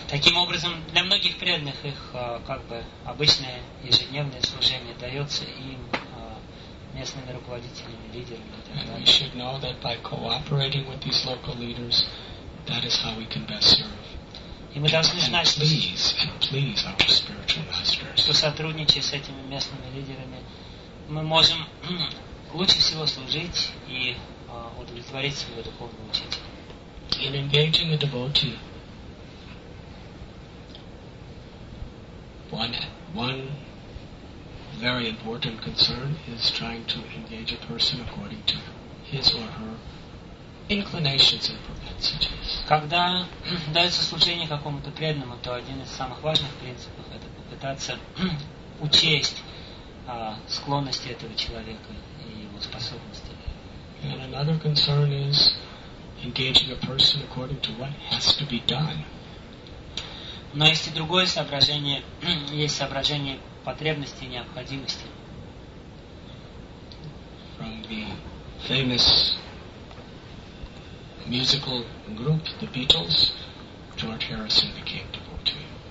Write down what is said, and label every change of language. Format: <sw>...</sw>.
<ru>Таким образом, для многих преданных их как бы обычное ежедневное служение дается им местными руководителями, лидерами.</ru> <en>And we should know that by cooperating with these local leaders, that is how we can best serve.</en> <ru>И мы должны знать, что</ru> <en>please our spiritual masters.</en> <ru>Что сотрудничая с этими местными лидерами, мы можем лучше всего служить и удовлетворить своего духовного учителя.</ru> <en>In engaging a devotee, one very important concern is trying to engage a person according to his or her inclinations and propensities.</en> <ru>Когда дается служение какому-то преданному, то один из самых важных принципов это попытаться учесть склонности этого человека и его способности.</ru> <en>And another concern is engaging a person according to what has to be done.</en> <ru>Но есть и другое соображение, есть соображение потребности и необходимости.</ru> <en>From the famous musical group, the Beatles, George Harrison became devotee.</en>